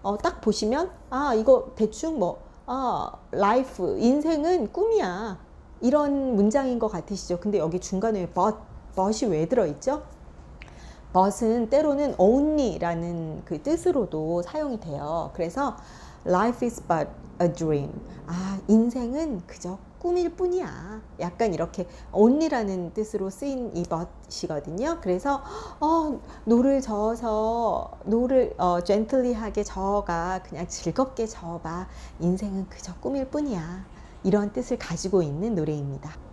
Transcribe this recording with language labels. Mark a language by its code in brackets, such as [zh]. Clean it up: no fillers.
[ko] 딱 보시면 아, 이거 대충 뭐 life, 인생은 꿈이야. 이런 문장인 것 같으시죠? 근데 여기 중간에 but이 왜 들어있죠? but은 때로는 [en] only [ko] 라는 그 뜻으로도 사용이 돼요. [en] 그래서 life is but a dream. [ko] 아, 인생은 그저 꿈일 뿐이야. 약간 이렇게 [en] only [ko] 라는 뜻으로 쓰인 이 but이거든요. 그래서 노를 저어서 노를 [en] gently [ko] 하게 저어가 그냥 즐겁게 저어봐. 인생은 그저 꿈일 뿐이야. 이런 뜻을 가지고 있는 노래입니다.